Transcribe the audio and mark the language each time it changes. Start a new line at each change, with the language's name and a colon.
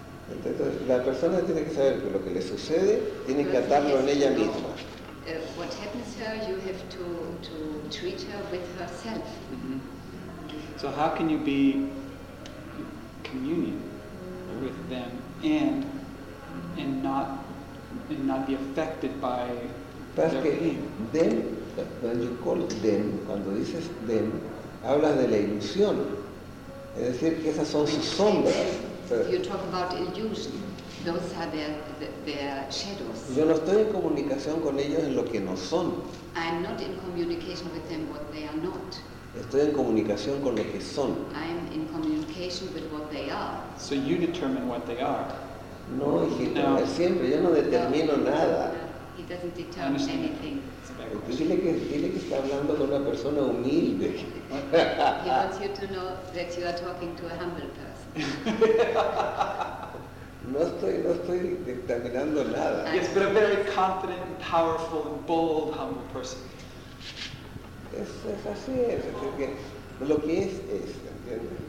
Spanish: Entonces, la persona tiene que saber que lo que le sucede tiene
English: because
Spanish: que atarlo en ella misma.
English: What happens to her, you have to treat her with herself. Mm-hmm. So how can you be communion with them and not be affected by
Spanish: pero
English: their pain. Them, when you call them,
Spanish: cuando dices
English: them,
Spanish: hablas de la ilusión. Es decir, que esas son sus sombras.
English: You talk about illusion. Those are their shadows.
Spanish: Yo no estoy en comunicación con ellos en lo que no son.
English: I'm not in communication with them what they are not.
Spanish: Estoy en comunicación con lo que son.
English: I'm in communication with what they are. So you determine what they are.
Spanish: No, hijito, no. Siempre, yo no determino nada.
English: He doesn't determine anything.
Spanish: Dile que está hablando con una persona humilde.
English: He wants you to know that you are talking to a humble person.
Spanish: No estoy determinando nada.
English: Yes, but a very confident, powerful, and bold, humble person.
Spanish: Es así, es que lo que es, ¿entiendes?